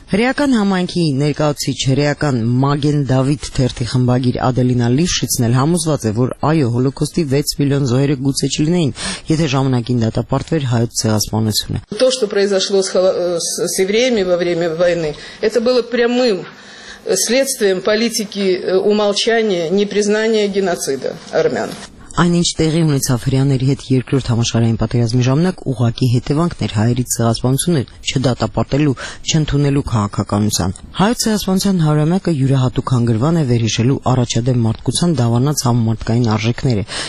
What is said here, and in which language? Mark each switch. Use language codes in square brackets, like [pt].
[hy] Հրեական համայնքի ներկայացուցիչ հրեական Մագեն Դավիթ թերթի խմբագիր Ադելինա Լիշիցն էլ համոզված է, որ այո, Հոլոկոստի 6 միլիոն զոհերը գուցե չլինեին, եթե ժամանակին դատապարտվեր հայոց ցեղասպանությունը։ [ru] То, что произошло с евреями во время войны, это было прямым следствием политики умолчания, непризнания геноцида армян. [hy] Այն, ինչ տեղի ունեցավ հրեաների հետ երկրորդ համաշխարհային պատերազմի ժամանակ, ուղղակի հետևանքներ հայերի ցեղասպանությունը չդատապարտելու, չընդունելու քաղաքականության։ Հայոց ցեղասպանության հարյուրամյակը յուրահատուկ հանգրվան է վերհիշելու առաջադեմ մարդկության դավանած համամարտկային արժեքները